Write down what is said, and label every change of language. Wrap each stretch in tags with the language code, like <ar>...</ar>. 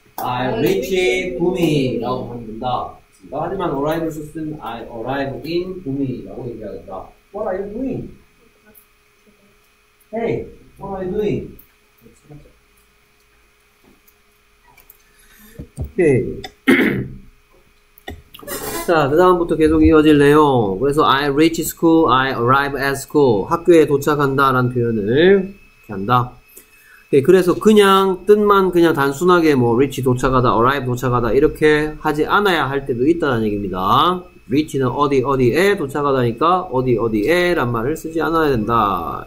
<en>I reach</en> <ko>구미라고 하면 된다. 하지만 arrive를 쓰면</ko> <en>I arrive in</en> <ko>구미라고 얘기하겠다.</ko> <en>What are you doing? Hey, what are you doing? Okay.</en> <ko>자, 그 다음부터 계속 이어질 내용. 그래서</ko> <en>I reach school, I arrive at school.</en> <ko>학교에 도착한다 라는 표현을 이렇게 한다. Okay, 그래서 그냥 뜻만 그냥 단순하게 뭐 reach 도착하다, arrive 도착하다 이렇게 하지 않아야 할 때도 있다는 얘기입니다. reach는 어디 어디에 도착하다니까 어디 어디에 란 말을 쓰지 않아야 된다.</ko>